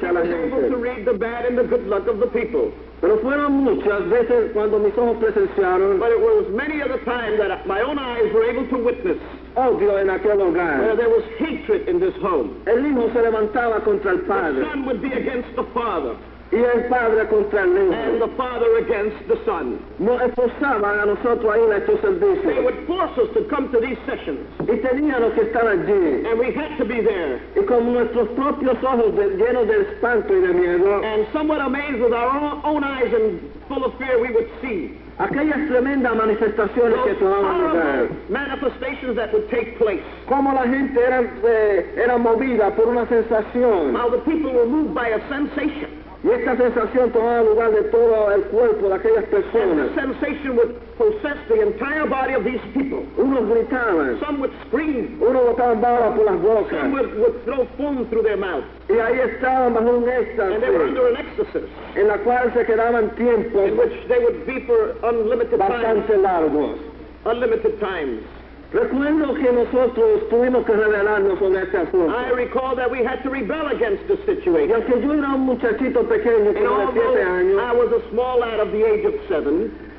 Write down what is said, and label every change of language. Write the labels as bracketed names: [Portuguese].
[English] she [Spanish] a la gente. [English] She was able to read the bad and the good luck of the people. [Spanish] Pero fueron muchas veces cuando mis ojos presenciaron. [English] But it was many of the times that my own eyes were able to witness. [Spanish] Odio en aquel hogar. [English] Where there was hatred in this home. [Spanish] El hijo se levantaba contra el padre. [English] The son would be against the father. [Spanish] Y el padre contra el hijo. [English] And the father against the son. [Spanish] No esforzaban a nosotros a ir a estos servicios. [English] They would force us to come to these sessions. [Spanish] Y teníamos que estar allí. [English] And we had to be there. [Spanish] Y con nuestros propios ojos llenos de espanto y de miedo. [English] And somewhat amazed with our own eyes and full of fear we would see. [Spanish] Aquellas tremendas manifestaciones [English] those [Spanish] que tomaban lugar. [English] Manifestations that would take place. [Spanish] Como la gente era movida por una sensación. [English] How the people were moved by a sensation. [Spanish] Y esta sensación tomaba lugar de todo el cuerpo de aquellas personas. [English] And the sensation would possess the entire body of these people. [Spanish] Unos gritaban. [English] Some would scream. [Spanish] Unos botaban balas por las bocas. [English] Some would throw foam through their mouths. [Spanish] Y ahí estaban bajo un éxtasis. [English] And they were under an ecstasis. [Spanish] En la cual se quedaban tiempo. [English] In which they would be for unlimited [Spanish] bastante Bastante largos. [English] Unlimited times. [Spanish] Recuerdo que nosotros tuvimos que rebelarnos sobre este asunto. [English] I recall that we had to rebel against the situation. [Spanish] Y aunque yo era un muchachito pequeño, como de 7 años, [English] I was a small lad of the age of 7,